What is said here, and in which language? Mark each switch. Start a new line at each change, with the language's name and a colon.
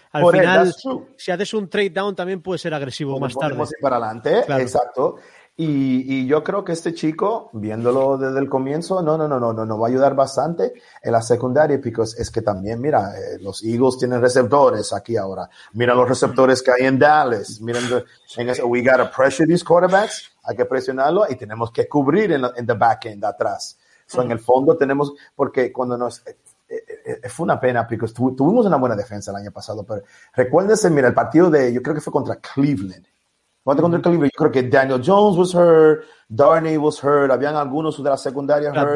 Spanish: Al por final, él, si haces un trade down, también puede ser agresivo más tarde. Para adelante, claro. Exacto. Y yo creo que este chico, viéndolo desde el comienzo, no va a ayudar bastante en la secundaria, porque es que también, mira, los Eagles tienen receptores aquí ahora. Mira los receptores que hay en Dallas. Miren,
English: we gotta pressure these quarterbacks.
Spanish: Hay que presionarlo y tenemos que cubrir en
English: the back end,
Spanish: atrás. So, en el fondo tenemos, porque cuando nos, fue una pena, porque tuvimos una buena defensa el año pasado, pero recuérdense, mira, el partido de, yo creo que fue contra Cleveland. Yo creo que Daniel Jones
English: was hurt,
Spanish: Darnay was hurt, habían algunos de la secundaria hurt.